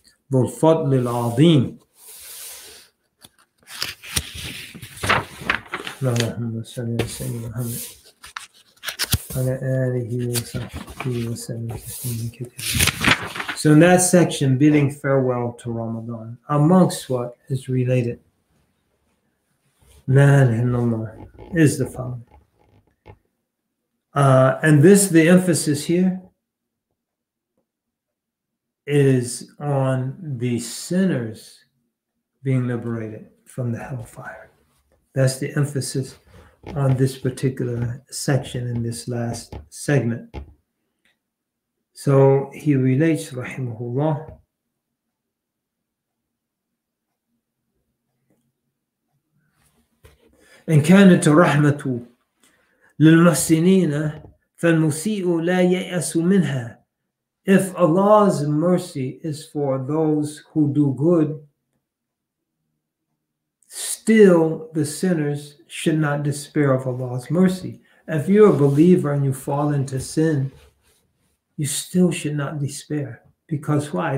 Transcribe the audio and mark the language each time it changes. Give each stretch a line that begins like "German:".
Arabic: بالفضل العظيم اللهم صل على سيدنا محمد وعلى آله وصحبه وسلم تسليما كثيرا.
English: So in that section, bidding farewell to Ramadan, amongst what is related,
Arabic: لا إله إلا الله,
English: is the following. And this, the emphasis here, is on the sinners being liberated from the hellfire. That's the emphasis on this particular section in this last segment. So he relates,
Arabic: rahimahullah, إن كانت رحمة للمحسنين فالمسيء لا ييأس منها.
English: If Allah's mercy is for those who do good, still the sinners should not despair of Allah's mercy. If you're a believer and you fall into sin, you still should not despair. Because why?